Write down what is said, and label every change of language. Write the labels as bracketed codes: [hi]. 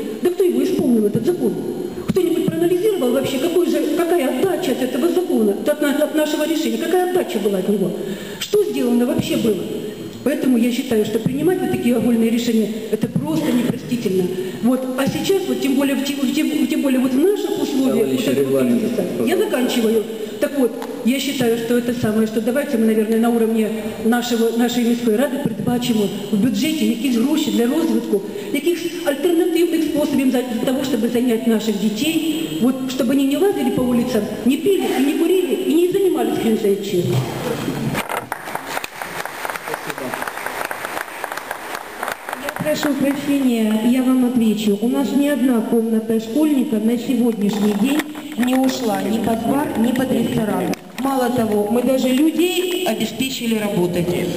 [ru] Да кто его исполнил, этот закон? Кто-нибудь проанализировал вообще, какая отдача от этого закона, от нашего решения, какая отдача была от него? Что сделано вообще было? Поэтому я считаю, что принимать вот такие огульные решения – это просто непростительно. Вот. А сейчас, вот, тем более вот в наших условиях, вот, регламент, я заканчиваю. Так вот, я считаю, что это самое, что давайте мы, наверное, на уровне нашей [uk] міської ради передбачимо в бюджеті якісь гроші для розвитку, якихось альтернативних способів для того, щоб зайняти наших дітей, вот, щоб вони не лазили по вулицям, не пили, не курили і не займалися хінжечим. [ru] Прошу прощения, я вам отвечу. У нас ни одна комната школьников на сегодняшний день не ушла ни под бар, ни под ресторан. Мало того, мы даже людей обеспечили работать.